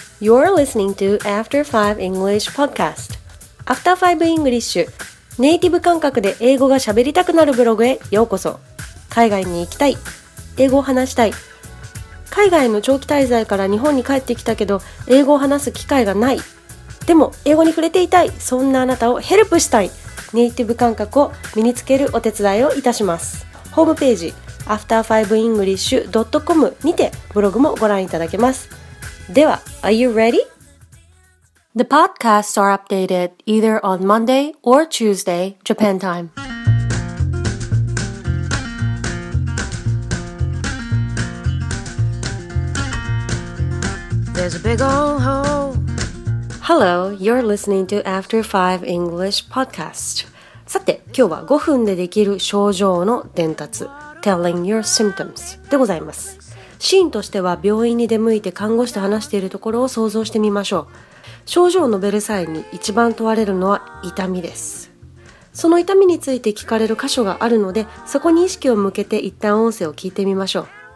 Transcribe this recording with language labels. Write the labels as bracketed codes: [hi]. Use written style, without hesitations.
[en] You're listening to After 5 English Podcast. After 5 English. [ja] ネイティブ感覚で英語が喋りたくなるブログへようこそ。海外に行きたい。英語を話したい。海外の長期滞在から日本に帰ってきたけど、英語を話す機会がない。でも、英語に触れていたい。そんなあなたをヘルプしたい。ネイティブ感覚を身につけるお手伝いをいたします。ホームページ、after5english.com にてブログもご覧いただけます。では、 [en] Are you ready? The podcasts are updated either on Monday or Tuesday, Japan time. There's a big old hole. Hello, you're listening to After 5 English Podcast. [ja] さて、今日は5分でできる症状の伝達、 [en] Telling Your Symptoms [ja] でございます。シーンとしては病院に出向いて看護師と話しているところを想像してみましょう。症状を述べる際に一番問われるのは痛みです。その痛みについて聞かれる箇所があるので、そこに意識を向けて一旦音声を聞いてみましょう。